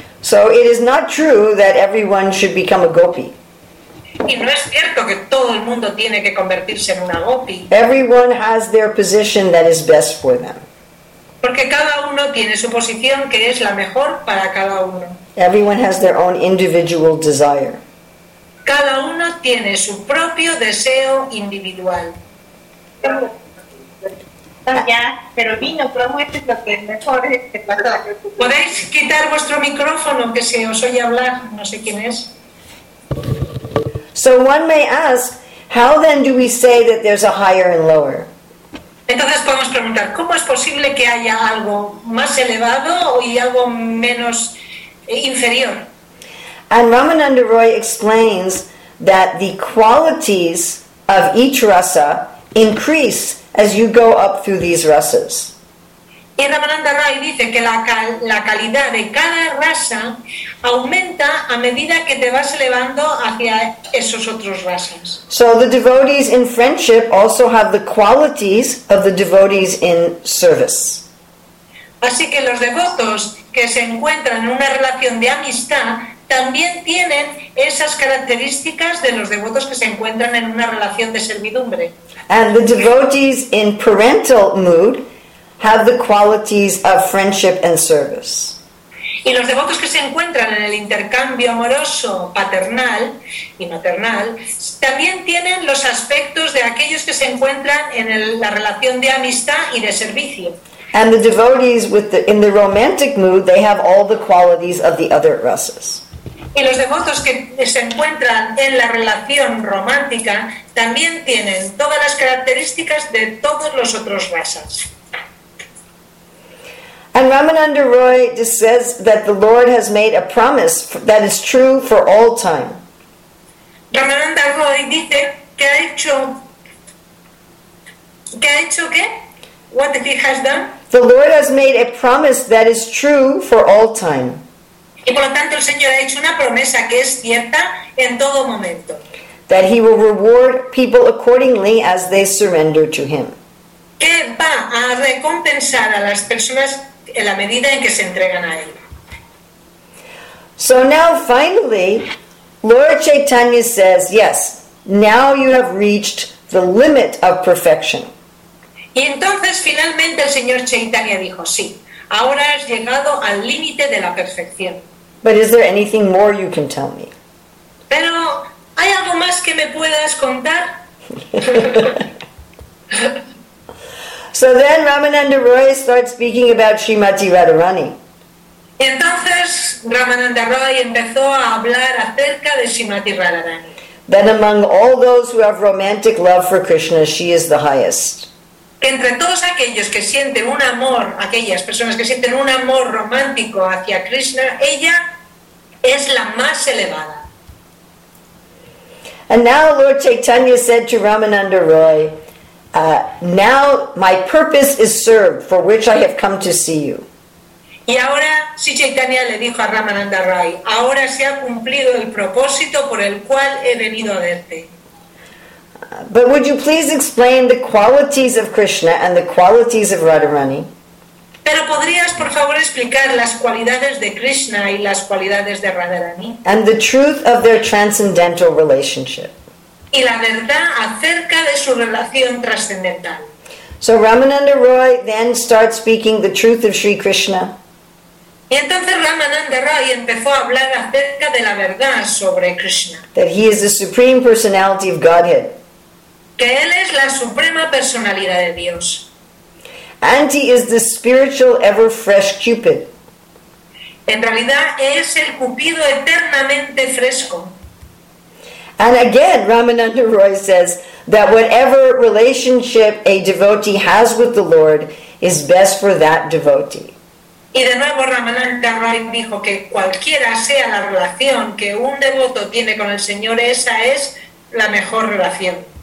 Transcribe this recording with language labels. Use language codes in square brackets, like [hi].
[en] So it is not true that everyone should become a gopi. [es] Y no es cierto que todo el mundo tiene que convertirse en una gopi. [en] Everyone has their position that is best for them. [es] Porque cada uno tiene su posición que es la mejor para cada uno. [en] Everyone has their own individual desire. [es] Cada uno tiene su propio deseo individual. Ya, pero vino, ¿cómo es lo que es mejor? ¿Podéis quitar vuestro micrófono que se os oye hablar? No sé quién es. [en] So one may ask, how then do we say that there's a higher and lower? [es] Entonces podemos preguntar, ¿cómo es posible que haya algo más elevado y algo menos inferior? [en] And Ramananda Roy explains that the qualities of each rasa increase as you go up through these rasas. [es] Y Ramananda Roy dice que la calidad de cada rasa aumenta a medida que te vas elevando hacia esos otros rasas. [en] So the devotees in friendship also have the qualities of the devotees in service. [es] Así que los devotos que se encuentran en una relación de amistad también tienen esas características de los devotos que se encuentran en una relación de servidumbre. [en] And the devotees in parental mood have the qualities of friendship and service. [es] Y los devotos que se encuentran en el intercambio amoroso paternal y maternal también tienen los aspectos de aquellos que se encuentran en la relación de amistad y de servicio. [en] And the devotees in the romantic mood, they have all the qualities of the other rasas. [es] Y los devotos que se encuentran en la relación romántica también tienen todas las características de todos los otros rasas. [en] And Ramananda Roy just says that the Lord has made a promise that is true for all time. [es] Ramananda Roy dice que ha hecho... ¿Qué ha hecho qué? [en] What he has done? The Lord has made a promise that is true for all time. [es] Y por lo tanto el Señor ha hecho una promesa que es cierta en todo momento. [en] That he will reward people accordingly as they surrender to him. [es] Que va a recompensar a las personas en la medida en que se entregan a él. [en] So now finally, Lord Chaitanya says, yes, now you have reached the limit of perfection. [es] Y entonces finalmente el Señor Chaitanya dijo, sí, ahora has llegado al límite de la perfección. [en] But is there anything more you can tell me? [es] Pero, ¿hay algo más que me puedas contar? [en] So then Ramananda Roy starts speaking about Srimati Radharani. [es] Entonces Ramananda Roy empezó a hablar acerca de Srimati Radharani. [en] Then among all those who have romantic love for Krishna, she is the highest. [es] Que entre todos aquellos que sienten un amor, aquellas personas que sienten un amor romántico hacia Krishna, ella es la más elevada. [en] And now Lord Chaitanya said to Ramananda Roy, now my purpose is served for which I have come to see you. [es] Y ahora Sri Chaitanya le dijo a Ramananda Roy, ahora se ha cumplido el propósito por el cual he venido a verte. [en] But would you please explain the qualities of Krishna and the qualities of Radharani? [es] Pero podrías por favor explicar las cualidades de Krishna y las cualidades de Radharani? [en] And the truth of their transcendental relationship. [es] Y la verdad acerca de su relación trascendental. [en] So Ramananda Roy then starts speaking the truth of Sri Krishna. [es] Y entonces Ramananda Roy empezó a hablar acerca de la verdad sobre Krishna. [en] That he is the supreme personality of Godhead. [es] Que él es la suprema personalidad de Dios. [en] And he is the spiritual ever fresh Cupid. [es] En realidad es el Cupido eternamente fresco. [en] And again, Ramananda Roy says that whatever relationship a devotee has with the Lord is best for that devotee. [es] Y de nuevo Ramananda Roy dijo que cualquiera sea la relación que un devoto tiene con el Señor, esa es la mejor relación.